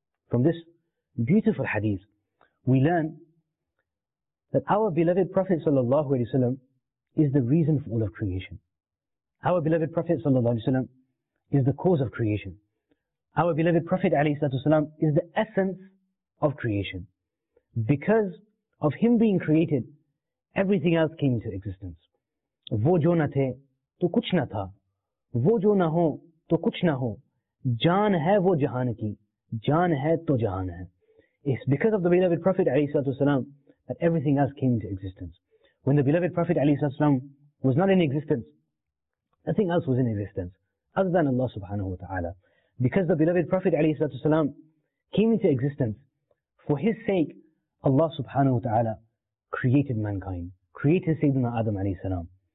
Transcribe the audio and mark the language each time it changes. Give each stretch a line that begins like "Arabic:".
English: From this beautiful hadith, we learn that our beloved Prophet sallallahu alayhi wa sallam is the reason for all of creation. Our beloved Prophet sallallahu alayhi wa sallam is the cause of creation. Our beloved Prophet alayhi salatu wasalam is the essence of creation. Because of him being created, everything else came into existence.
Urdu: وہ جو نہ تھے تو کچھ نہ تھا وہ جو نہ ہو تو کچھ نہ ہو جان ہے وہ جہان کی جان ہے تو جہان ہے
English: It's because of the beloved Prophet عليه الصلاة والسلام that everything else came into existence. When the beloved Prophet عليه الصلاة والسلام was not in existence, nothing else was in existence other than Allah subhanahu wa ta'ala. Because the beloved Prophet عليه الصلاة والسلام came into existence, for his sake, Allah subhanahu wa ta'ala created mankind, created Sayyidina Adam عليه السلام.